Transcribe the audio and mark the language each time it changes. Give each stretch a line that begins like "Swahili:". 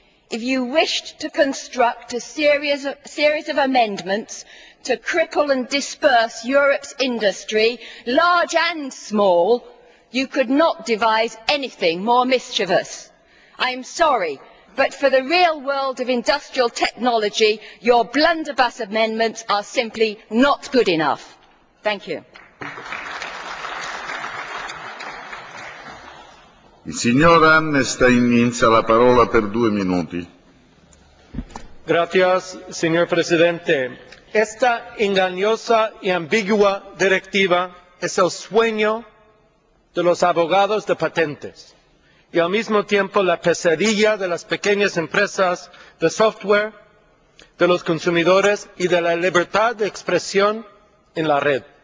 English: If you wished to construct a series of amendments to cripple and disperse Europe's industry, large and small, you could not devise anything more mischievous. I am sorry, but for the real world of industrial technology, your blunderbuss amendments are simply not good enough. Thank you.
Italian: Il signor Hammerstein inizia la parola per due minuti.
Spanish: Gracias, señor presidente. Esta engañosa y ambigua directiva es el sueño de los abogados de patentes y al mismo tiempo la pesadilla de las pequeñas empresas de software, de los consumidores y de la libertad de expresión en la red.